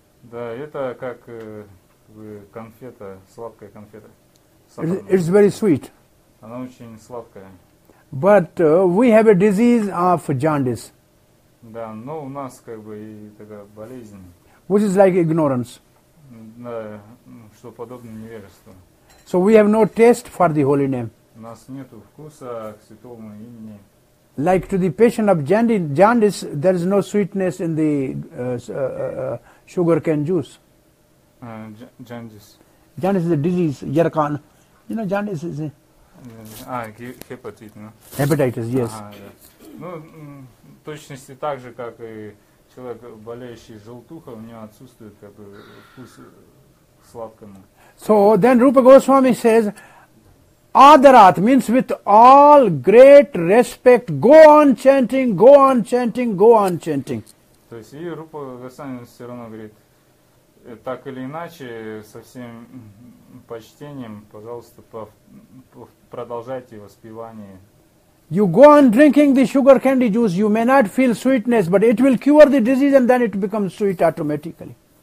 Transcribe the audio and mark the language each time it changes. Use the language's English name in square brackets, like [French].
[Russian] Да, это как конфета, сладкая конфета. [English] It's very sweet. [Russian] Она очень сладкая. [English] But we have a disease of jaundice. [Russian] Да, но у нас как бы и такая болезнь. [English] Which is like ignorance. [Russian] Да, что подобно невежеству. [English] So we have no taste for the holy name. [Russian] У нас нету вкуса к святому имени. [English] Like to the patient of jaundice, there is no sweetness in the sugarcane juice. Jaundice. Jaundice is a disease, yerkan. You know, jaundice is a... Hepatitis, no? Hepatitis, yes. [Russian] Ну, в точности так же, как и человек, болеющий желтухой, у него отсутствует как бы вкус к сладкому. [English] So then Rupa Goswami says, Adarat means with all great respect, go on chanting, go on chanting, go on chanting. [Russian] То есть и Рупа Госвами все равно говорит, так или иначе, со всем почтением, пожалуйста, продолжайте воспевание. [English] You go on drinking the sugar candy juice, you may not feel sweetness, but it will cure the disease and then it becomes sweet automatically.